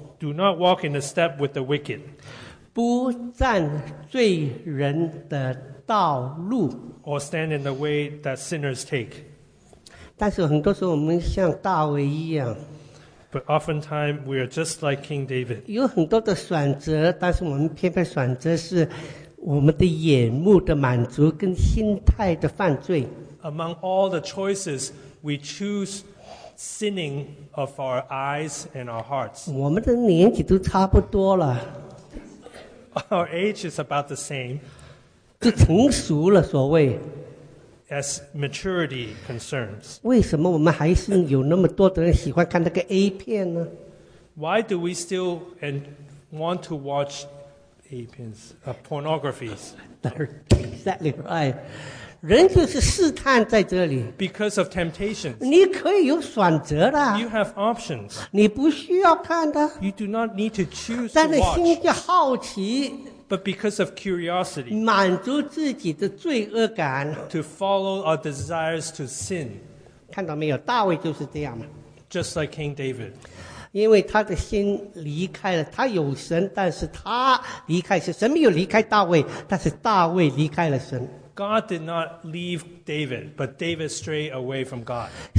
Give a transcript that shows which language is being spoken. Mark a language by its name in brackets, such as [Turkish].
[English] do not walk in the step with the wicked. [Chinese] 不占罪人的道路, [English] or stand in the way that sinners take. [Chinese] 但是很多时候我们像大卫一样, [English] but oftentimes we are just like King David. [Chinese] 有很多的选择, 但是我们偏偏选择是我们的眼目的满足跟心态的犯罪。 [English] Among all the choices, we choose sinning of our eyes and our hearts. [Chinese] 我们的年纪都差不多了。 [English] Our age is about the same. [Chinese] 就成熟了所谓, [English] as maturity concerns. [Chinese] 为什么我们还是有那么多的人喜欢看那个A片呢? [English] Why do we still and want to watch A-pins, pornographies? Exactly right. [Chinese] 人就是试探在这里, [English] because of temptations. [Chinese] 你可以有选择的, [English] you have options. [Chinese] 你不需要看的, [English] you do not need to choose to watch. [Chinese] 但是心就好奇, [English] but because of curiosity, [Chinese] 满足自己的罪恶感, [English] to follow our desires to sin. [Chinese] 看到没有, 大卫就是这样嘛, [English] just like King David. [Chinese] 因为他的心离开了, 他有神, 但是他离开神, 神没有离开大卫, 但是大卫离开了神。 [English] God did not leave David, but David strayed away from God.